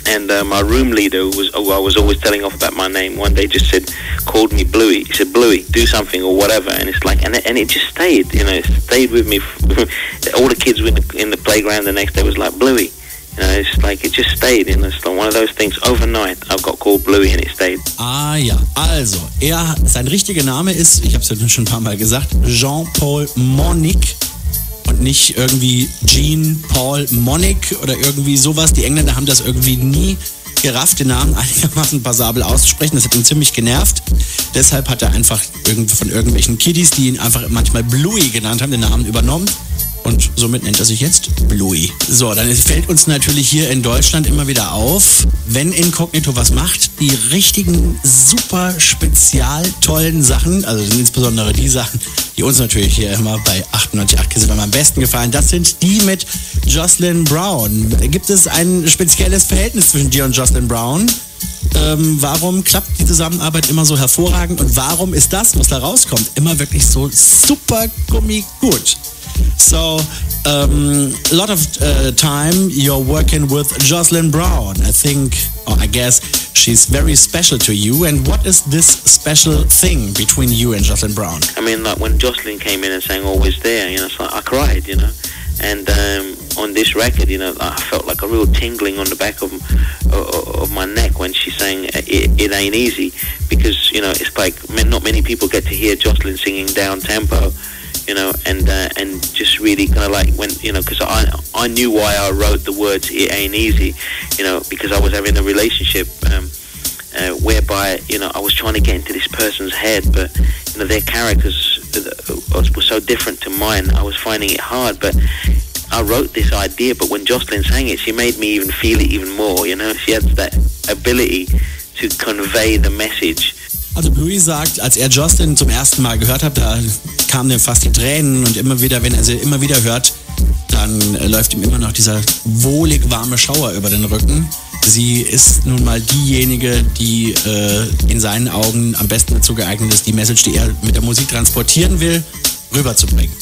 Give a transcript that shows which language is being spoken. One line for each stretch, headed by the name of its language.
English: And my room leader, who I was always telling off about my name, one day just said, called me Bluey. He said, Bluey, do something or whatever. And it's like, and it just stayed, you know, it stayed with me. All the kids in the playground the next day was like, Bluey. You know, it's like, it just stayed. You know, it's like one of those things, overnight, I got called Bluey and it stayed.
German: Ah, ja. Also, sein richtiger Name ist, ich hab's ja schon ein paar Mal gesagt, Jean-Paul Monique. Nicht irgendwie Jean Paul Monique oder irgendwie sowas. Die Engländer haben das irgendwie nie gerafft, den Namen einigermaßen passabel auszusprechen. Das hat ihn ziemlich genervt. Deshalb hat er einfach irgendwie von irgendwelchen Kiddies, die ihn einfach manchmal Bluey genannt haben, den Namen übernommen. Und somit nennt er sich jetzt Bluey. So, dann fällt uns natürlich hier in Deutschland immer wieder auf, wenn Incognito was macht, die richtigen, super spezial tollen Sachen, also insbesondere die Sachen, die uns natürlich hier immer bei 98.8 KISS am besten gefallen, das sind die mit Jocelyn Brown. Gibt es ein spezielles Verhältnis zwischen dir und Jocelyn Brown? Warum klappt die Zusammenarbeit immer so hervorragend und warum ist das, was da rauskommt, immer wirklich so super gummigut?
English: So, a lot of time you're working with Jocelyn Brown. I think, or I guess, she's very special to you. And what is this special thing between you and Jocelyn Brown? I mean, like when Jocelyn came in and sang Always There, you know, it's like I cried, you know. And on this record, you know, I felt like a real tingling on the back of my neck when she sang It Ain't Easy. Because, you know, it's like not many people get to hear Jocelyn singing down tempo. You know, and just really kind of like when, you know, because I knew why I wrote the words It Ain't Easy, you know, because I was having a relationship whereby, you know, I was trying to get into this person's head, but, you know, their characters were so different to mine, I was finding it hard, but I wrote this idea, but when Jocelyn sang it, she made me even feel it even more, you know, she had that ability to convey the message.
German: Also Bluey sagt, als er Jocelyn zum ersten Mal gehört hat, da kamen ihm fast die Tränen und immer wieder, wenn er sie immer wieder hört, dann läuft ihm immer noch dieser wohlig warme Schauer über den Rücken. Sie ist nun mal diejenige, die in seinen Augen am besten dazu geeignet ist, die Message, die er mit der Musik transportieren will, rüberzubringen.